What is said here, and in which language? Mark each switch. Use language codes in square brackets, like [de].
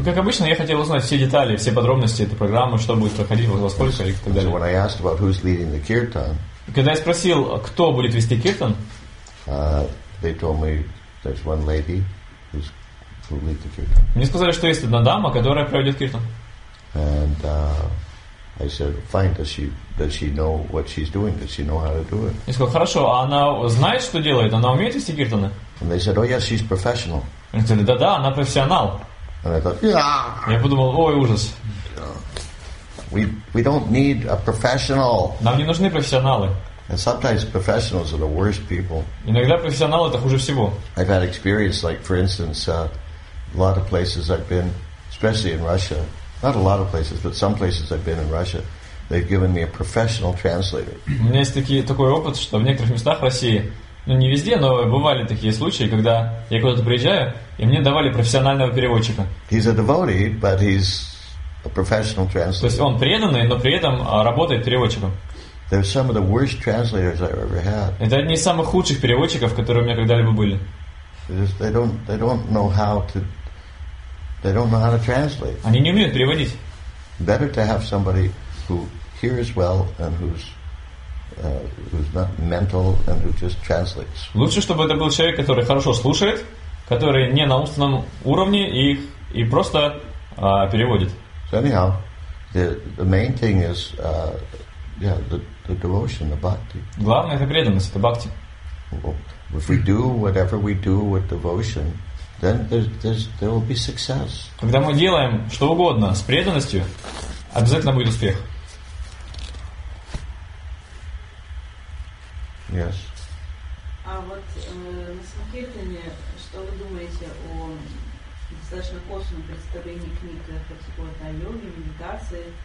[ru] И как обычно, я хотел узнать все детали, все подробности этой программы, что будет проходить, во сколько и так далее. [en] So when I asked about who's leading the kirtan, [ru] когда я спросил, кто будет вести киртан, [en] they told me There's one lady who's who leads the kirtan. [ru] Мне сказали, что есть одна дама, которая проведет киртан. [en] And I said, fine. Does she know what she's doing? Does she know how to do it? [ru] Я сказал, хорошо. А она знает, что делает? Она умеет вести киртаны? [en] And they said, oh yes, she's professional. [ru] Они сказали, да, она профессионал. [en] And I thought, yeah. [ru] Я подумал, ой, ужас. [en] We don't need a professional. [ru] Нам не нужны профессионалы. [en] And sometimes professionals are the worst people. [ru] Иногда профессионалы это хуже всего. [en] I've had experience, like for instance, a lot of places I've been, especially in Russia. Not a lot of places, but some places I've been in Russia, they've given me a professional translator. [ru] У меня есть такой опыт, что в некоторых местах России, ну не везде, но бывали такие случаи, когда я куда-то приезжаю, и мне давали профессионального переводчика. [en] He's a devotee, but he's a professional translator. [ru] То есть он преданный, но при этом работает переводчиком. [en] They're some of the worst translators I've ever had. [ru] Это одни из самых худших переводчиков, которые у меня когда-либо были. [en] They don't know how to translate. [ru] Они не умеют переводить. [en] Better to have somebody who hears well and who's not mental and who just translates. [ru] Лучше, чтобы это был человек, который хорошо слушает, который не на умственном уровне и просто переводит. [en] So anyhow, the main thing is the devotion, the bhakti. [ru] Главное это преданность, это бхакти. [en] Well, if we do whatever we do with devotion, then there will be success. [ru] Когда мы делаем что угодно с преданностью, обязательно будет успех. [en] Yes. [ru] А вот на Санкиртане, что вы думаете о достаточно косвенном представлении книг о йоге, медитации?